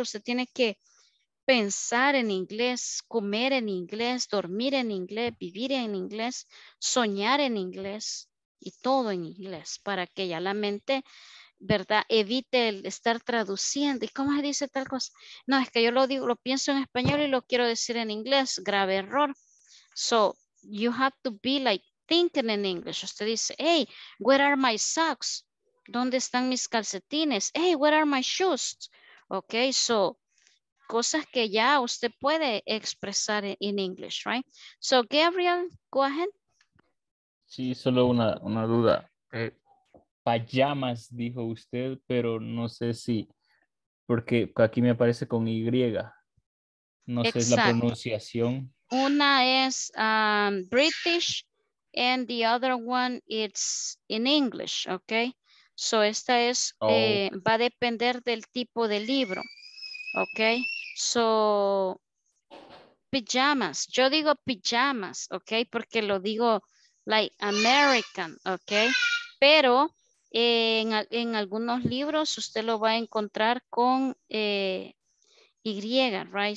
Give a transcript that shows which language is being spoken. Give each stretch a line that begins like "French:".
Spanish: Usted tiene que pensar en inglés, comer en inglés, dormir en inglés, vivir en inglés, soñar en inglés y todo en inglés para que ya la mente, ¿verdad?, evite el estar traduciendo. ¿Y cómo se dice tal cosa? No, es que yo lo digo, lo pienso en español y lo quiero decir en inglés. Grave error.
English: So, you have to be like thinking in English.
Spanish: Usted dice, hey,
English: where are my socks?
Spanish: ¿Dónde están mis calcetines?
English: Hey, where are my shoes?
Spanish: Ok, so, cosas que ya usted puede expresar en inglés, right?
English: So, Gabriel, go ahead.
Spanish: Sí, solo una duda. Pajamas, dijo usted, pero no sé si, porque aquí me aparece con Y. No exacto. Sé la pronunciación. Una es
English: British and the other one it's in English, ok.
Spanish: So, esta es, va a depender del tipo de libro, ¿ok? So, pijamas, yo digo pijamas, ¿ok? Porque lo digo
English: like American,
Spanish: ¿ok? Pero en algunos libros usted lo va a encontrar con Y, right?